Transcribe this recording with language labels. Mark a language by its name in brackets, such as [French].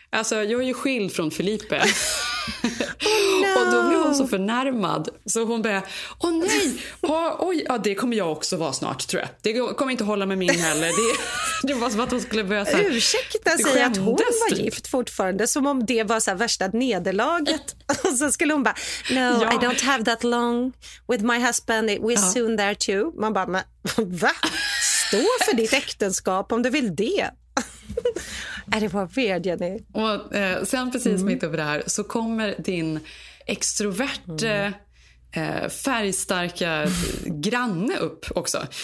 [Swedish] Alltså jag är ju skild från Felipe. Och då blev hon så förnärmad. Så hon bara, åh nej, det kommer jag också vara snart tror jag. Det kommer inte hålla med min heller. Det var som att hon skulle börja såhär. Ursäkta sig att hon var gift fortfarande. Som om det var såhär värsta nederlaget. Och så skulle hon bara, [English] no, I don't have that long with my husband. We're soon there too. [Swedish] Man bara, men va? Stå för ditt äktenskap om du vill det. Är det bara weird, Jenny? Och sen precis mitt över det här så kommer din extroverte, färgstarka granne upp också.